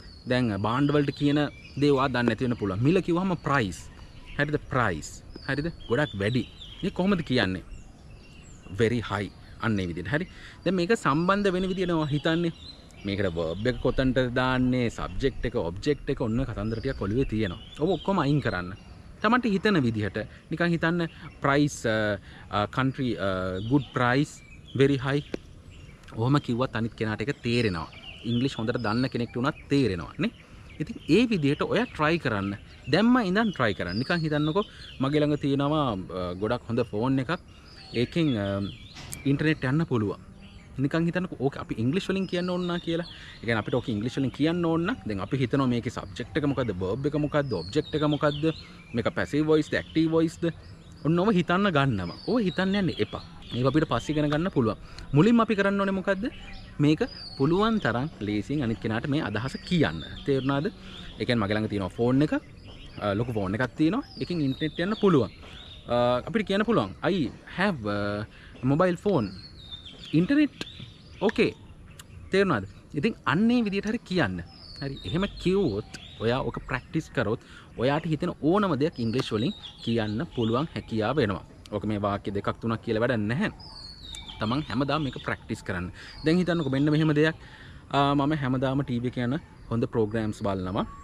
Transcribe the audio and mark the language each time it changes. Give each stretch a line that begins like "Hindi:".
Sinhala: දැන් බාණ්ඩ වලට කියන දේ ඔයා දන්නේ නැති වෙන්න පුළුවන්. මිල කිව්වම price. හරිද? price. හරිද? ගොඩක් වැඩි. මේ කොහොමද කියන්නේ?
English: very high.
Sinhala: අන්නේ විදිහට හරි. දැන් මේක සම්බන්ධ වෙන විදිහට ඔයා හිතන්නේ මේකට verb එක කොතනට දාන්නේ, subject එක, object එක ඔන්න කතන්දර ටික ඔළුවේ තියෙනවා. ඔව් ඔක්කොම අයින් කරන්න. තමන්ට හිතන විදිහට නිකන් හිතන්න
English: price country good price very high.
Sinhala: ඔහොම කිව්වත් අනිත් කෙනාට ඒක තේරෙනවා. ඉංග්‍රීසි හොඳට දන්න කෙනෙක්ට උනත් තේරෙනවා නේ. ඉතින් ඒ විදිහට ඔයා try කරන්න. දැම්ම ඉඳන් try කරන්න. නිකන් හිතන්නකෝ මගේ ළඟ තියෙනවා ගොඩක් හොඳ phone එකක්. ඒකෙන් ඉන්ටර්නෙට් යන්න පුළුවන්. නිකන් හිතන්නකෝ ඕක අපි ඉංග්‍රීසි වලින් කියන්න ඕන නා කියලා. ඒ කියන්නේ අපිට ඕක ඉංග්‍රීසි වලින් කියන්න ඕන නම් දැන් අපි හිතනවා මේකේ subject එක මොකද්ද? verb එක මොකද්ද? object එක මොකද්ද? මේක passive voice ද active voice ද? ඔන්නම හිතන්න ගන්නම. ඕක හිතන්න යන්නේ එපා. මේක අපිට පස්සේ ඉගෙන ගන්න පුළුවන්. මුලින්ම අපි කරන්න ඕනේ මොකද්ද? මේක පුළුවන් තරම් ලේසියෙන් අනිත් කෙනාට මේ අදහස කියන්න. තේරුණාද? ඒ කියන්නේ මගේ ළඟ තියෙනවා phone එක. ලොකු phone එකක් තියෙනවා. ඒකෙන් ඉන්ටර්නෙට් යන්න පුළුවන්. අපිට කියන්න පුළුවන්
English: I have mobile phone internet okay
Sinhala: තේරුණාද? ඉතින් අන්නේ විදියට හරි කියන්න. හරි එහෙම කිව්වොත් ඔයා ඔක ප්‍රැක්ටිස් කරොත් ඔයාට හිතෙන ඕනම දෙයක් ඉංග්‍රීසි වලින් කියන්න පුළුවන් හැකියාව වෙනවා. ඔක මේ වාක්‍ය දෙකක් තුනක් කියලා වැඩක් නැහැ. තමන් හැමදාම මේක ප්‍රැක්ටිස් කරන්න. දැන් හිතන්නකෝ මෙන්න මෙහෙම දෙයක්. මම හැමදාම ටීවී එක යන හොඳ ප්‍රෝග්‍රෑම්ස් බලනවා.